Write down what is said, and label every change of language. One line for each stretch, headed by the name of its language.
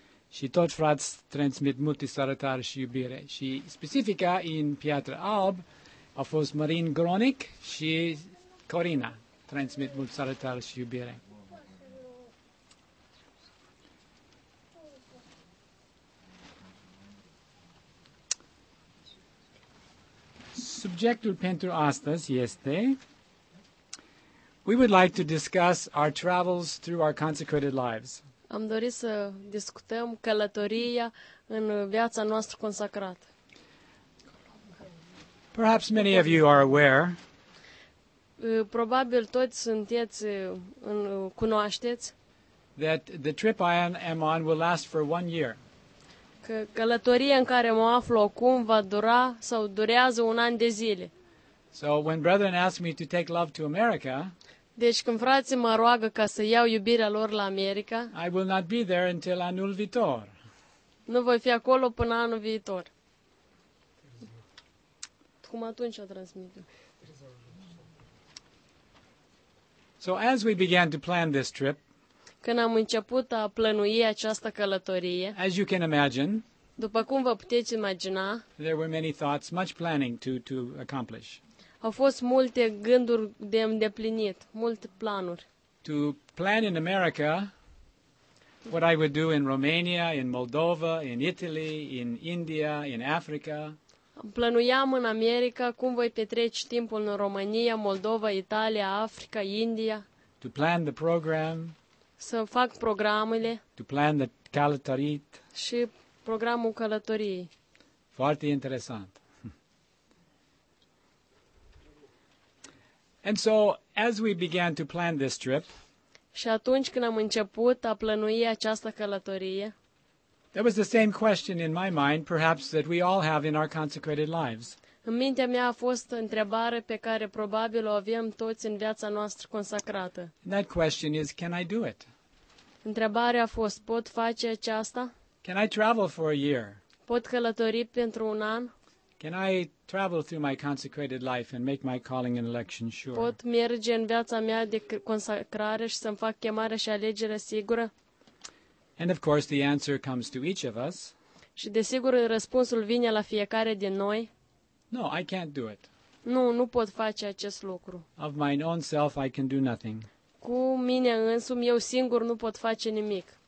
Romanian: Și tot frați transmit multe sărătări și iubire. Și specifica în Piatra Albă a fost Marin Gronic și Corina transmit multe sărătări și iubire. Subiectul pentru astăzi este...
English: We would like to discuss our travels through our consecrated lives.
Romanian: Am dorit să discutăm călătoria în viața noastră consacrată.
English: Perhaps many of you are aware.
Romanian: Probabil toți sunteți în cunoașteți.
English: That the trip I am on will last for one year.
Romanian: Că călătoria în care mă aflu acum va dura sau durează un an de zile.
English: So when brethren asked me to take love to America,
Romanian: deci când frații mă roagă ca să iau iubirea lor la America,
English: I will not be there until
Romanian: anul viitor. Nu voi fi acolo până anul viitor. Cum atunci a transmit.
English: So as we began to plan this trip,
Romanian: când am început a plănui această călătorie,
English: as you can imagine,
Romanian: după cum vă puteți imagina,
English: there were many thoughts, much planning to accomplish.
Romanian: Au fost multe gânduri de îndeplinit, multe planuri.
English: To plan in America what I would do in Romania, in Moldova, in Italy, in India, in Africa.
Romanian: Planuiam în America cum voi petrece timpul în România, Moldova, Italia, Africa, India.
English: To plan the program.
Romanian: Să fac programele.
English: To plan the călătorit.
Romanian: Și programul călătoriei. Foarte interesant.
English: And so, as we began to plan this trip,
Romanian: și atunci când am început a plănui această călătorie,
English: there was the same question in my mind, perhaps, that we all have in our consecrated lives.
Romanian: În mintea mea a fost întrebare pe care probabil o avem toți în viața noastră consacrată.
English: And that question is, can I do it?
Romanian: Întrebarea a fost, pot face aceasta?
English: Can I travel for a year?
Romanian: Pot călători pentru un an?
English: Can I travel through my consecrated life and make my calling and election sure?
Romanian: Pot merge în viața mea de consacrare și să-mi fac chemarea și alegerea sigură?
English: And of course the answer comes to each of us.
Romanian: Și desigur răspunsul vine la fiecare din noi.
English: No, I can't do it.
Romanian: Nu pot face acest lucru.
English: Of my own self I can do nothing.
Romanian: Cu mine însumi eu singur nu pot face nimic.